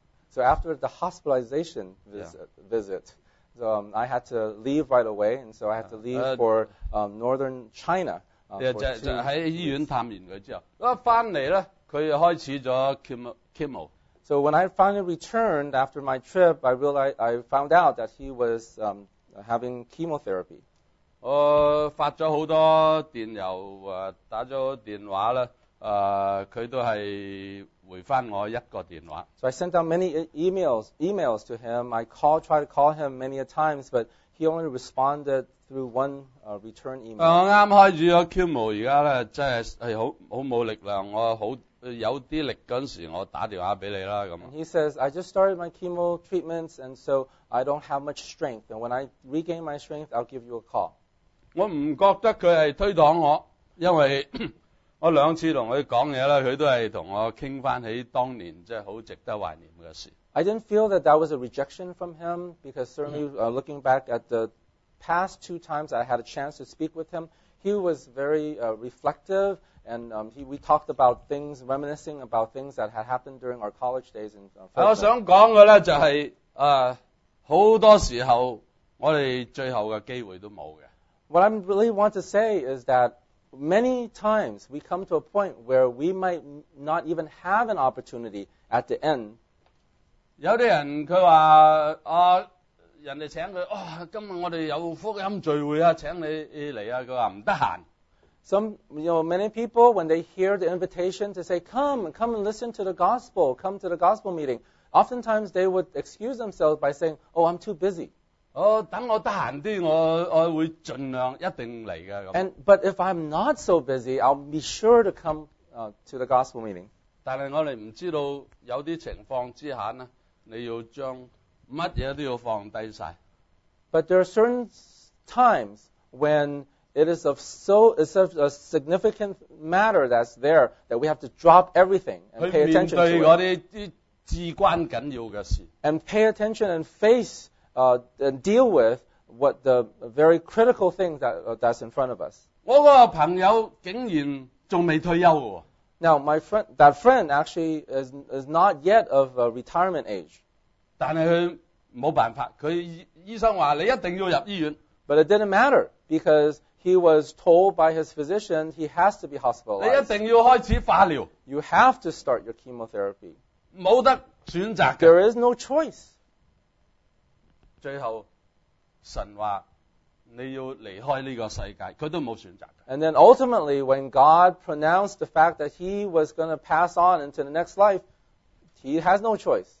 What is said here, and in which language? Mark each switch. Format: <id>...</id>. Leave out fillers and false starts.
<en>So after the hospitalization visit, so I had to leave right away, and so I had to leave for northern China.</en> <yue>在醫院探完佢之後，我翻嚟咧，佢又開始咗 chemo。</yue> <en>So when I finally returned after my trip, I found out that he was having chemotherapy.</en> <yue>我發咗好多電郵，打咗電話咧，佢都係回翻我一個電話。</yue> <en>So I sent out many emails to him. I called, tried to call him many a times, but he only responded through one return email.</en> <yue>我啱開始咗 chemo， 而家咧真係係好冇力量，我好。有啲力嗰時，我打電話俾你啦咁。</yue> <en>He says I just started my chemo treatments and so I don't have much strength. And when I regain my strength, I'll give you a call.</en> <yue>我唔覺得佢係推搪我，因為我兩次同佢講嘢啦，佢都係同我傾翻起當年即係好值得懷念嘅事。</yue> <en>I didn't feel that was a rejection from him because certainly looking back at the past two times I had a chance to speak with him, he was very reflective. And we talked about things, reminiscing about things that had happened during our college days. And,</en> <yue>我想講嘅咧就係、好多時候我哋最後嘅機會都冇嘅。</yue> <en>What I really want to say is that many times we come to a point where we might not even have an opportunity at the end.</en> <yue>有啲人佢話啊，人哋請佢，今日我哋有福音聚會啊，請你嚟啊，佢話唔得閒。</yue> <en>Many people, when they hear the invitation to say, come and listen to the gospel, come to the gospel meeting, oftentimes they would excuse themselves by saying, oh, I'm too busy.</en> <yue>Oh, 等我得閒啲，我會盡量一定嚟嘅。</yue> <en>And, but if I'm not so busy, I'll be sure to come, to the gospel meeting.</en> <yue>但係我哋唔知道有啲情況之下呢，你要將乜嘢都要放低曬。</yue> <en>But there are certain times when it is of it's a significant matter that's there that we have to drop everything and pay attention to it.</en> <yue>去面對嗰啲至關緊要嘅事。</yue> <en>And pay attention and face, and deal with what the very critical thing that's in front of us.</en> <yue>我個朋友竟然仲未退休喎。</yue> <en>Now my friend actually is not yet of retirement age.</en> <yue>但係佢冇辦法，佢醫生話你一定要入醫院。</yue> <en>But it didn't matter because he was told by his physician he has to be hospitalized.</en> <yue>你一定要開始化療。</yue> <en>You have to start your chemotherapy.</en> <yue>冇得選擇。</yue> <en>There is no choice.</en> <yue>最後神話你要離開呢個世界，佢都冇選擇。</yue> <en>And then ultimately, when God pronounced the fact that he was going to pass on into the next life, he has no choice.</en>